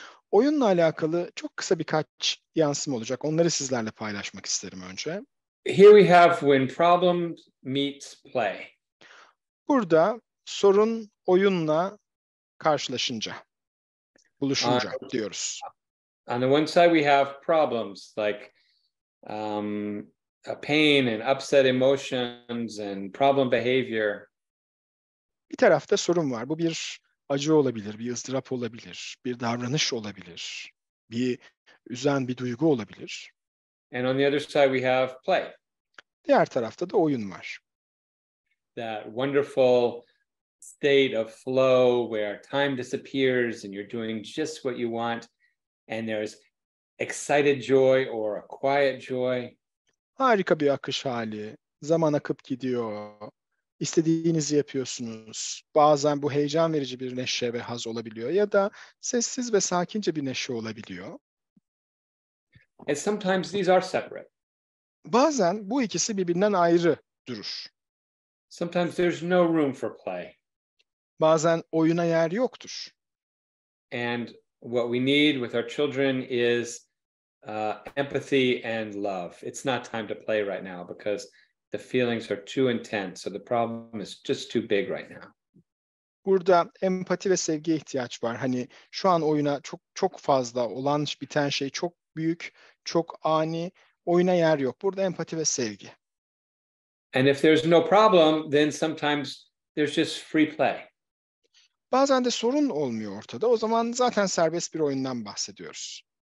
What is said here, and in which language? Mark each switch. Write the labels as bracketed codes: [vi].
[tr] Oyunla alakalı çok kısa birkaç yansım olacak. Onları sizlerle paylaşmak isterim önce. [en] Here we have when problem meets play. [tr] Burada sorun oyunla karşılaşınca, buluşunca diyoruz. [en] On the one side we have problems like a pain and upset emotions and problem behavior. [tr] Bir tarafta sorun var. Bu bir acı olabilir, bir ızdırap olabilir, bir davranış olabilir, bir üzen bir duygu olabilir. [en] And on the other side we have play. [tr] Diğer tarafta da oyun var. [en] That wonderful state of flow where time disappears and you're doing just what you want and there's excited joy or a quiet joy. [tr] Harika bir akış hali. Zaman akıp gidiyor. İstediğinizi yapıyorsunuz. Bazen bu heyecan verici bir neşe ve haz olabiliyor ya da sessiz ve sakince bir neşe olabiliyor. [en] And sometimes these are separate. [tr] Bazen bu ikisi birbirinden ayrı durur. [en] Sometimes there's no room for play. [tr] Bazen oyuna yer yoktur. [en] And what we need with our children is empathy and love. It's not time to play right now because the feelings are too intense, so the problem is just too big right now. [tr] Burada empati ve sevgiye ihtiyaç var. Hani şu an oyuna çok çok fazla olan biten şey çok büyük, çok ani. Oyuna yer yok. Burada empati ve sevgi. [en] And if there's no problem, then sometimes there's just free play. [tr] Bazen de sorun olmuyor ortada. O zaman zaten serbest bir oyundan bahsediyoruz.